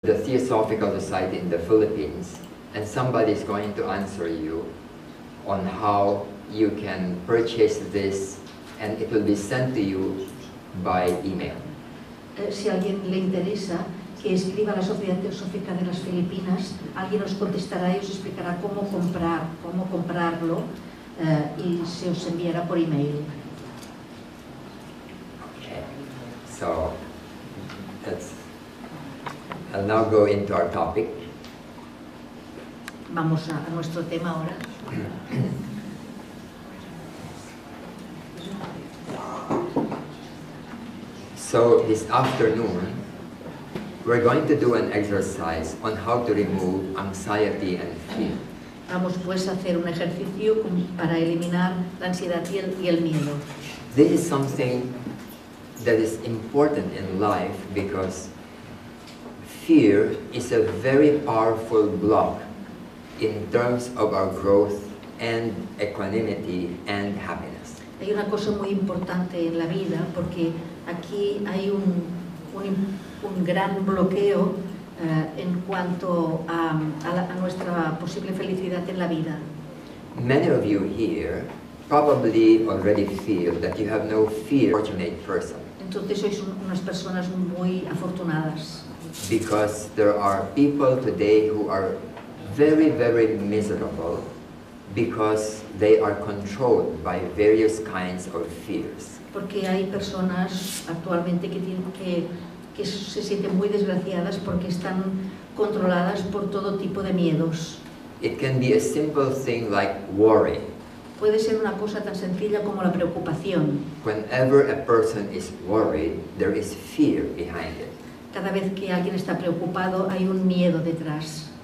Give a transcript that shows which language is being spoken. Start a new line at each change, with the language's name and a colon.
English: the Theosophical Society in the Philippines, and somebody is going to answer you on how you can purchase this, and it will be sent to you by email.
Spanish: Si alguien le interesa que escriba a la Sociedad Teosófica de las Filipinas, alguien os contestará y os explicará cómo comprar, cómo comprarlo, y se os enviará por email.
English: So, let's, I'll now go into our topic.
Spanish: Vamos a nuestro tema ahora.
English: So, this afternoon, we're going to do an exercise on how to remove anxiety and fear.
Spanish: Vamos pues a hacer un ejercicio para eliminar la ansiedad y el miedo.
English: This is something that is important in life because fear is a very powerful block in terms of our growth and equanimity and happiness.
Spanish: Hay una cosa muy importante en la vida porque aquí hay un gran bloqueo en cuanto a nuestra posible felicidad en la vida.
English: Many of you here probably already feel that you have no fear, fortunate person.
Spanish: Entonces sois unas personas muy afortunadas.
English: Because there are people today who are very, very miserable because they are controlled by various kinds of fears.
Spanish: Porque hay personas actualmente que tienen que se sienten muy desgraciadas porque están controladas por todo tipo de miedos.
English: It can be a simple thing like worry.
Spanish: Puede ser una cosa tan sencilla como la preocupación.
English: Whenever a person is worried, there is fear behind it.
Spanish: Cada vez que alguien está preocupado, hay un miedo detrás.